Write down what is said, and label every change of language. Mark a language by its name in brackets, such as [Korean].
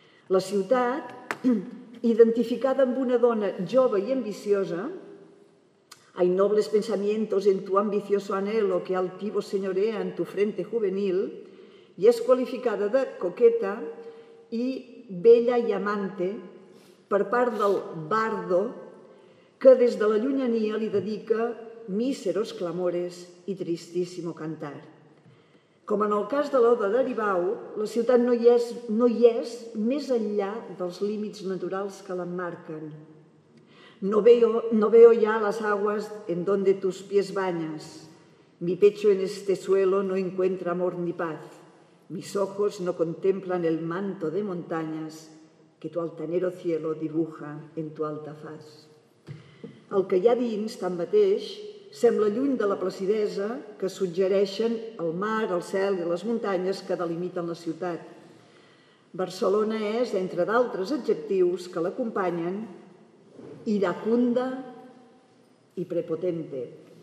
[Catalan] La ciutat, identificada amb una dona jove i ambiciosa, [Spanish] hay nobles pensamientos en tu ambicioso anhelo que altivo señorea en tu frente juvenil, [Catalan] i és qualificada de coqueta i bella y amante per part del bardo que des de la llunyania li dedica [Spanish] míseros clamores [Catalan] i tristíssimo cantar. Com en el cas de l'Oda d'Aribau, la ciutat no hi és més enllà dels límits naturals que l'emmarquen. [Spanish] No veo ya las aguas en donde tus pies bañas. Mi pecho en este suelo no encuentra amor ni paz. Mis ojos no contemplan el manto de montañas que tu altanero cielo dibuja en tu alta faz. [Catalan] El que hi ha dins, tanmateix, sembla lluny de la placidesa que suggereixen el mar, el cel i les muntanyes que delimiten la ciutat. Barcelona és, entre d'altres adjectius que l'acompanyen, [Spanish] iracunda y prepotente.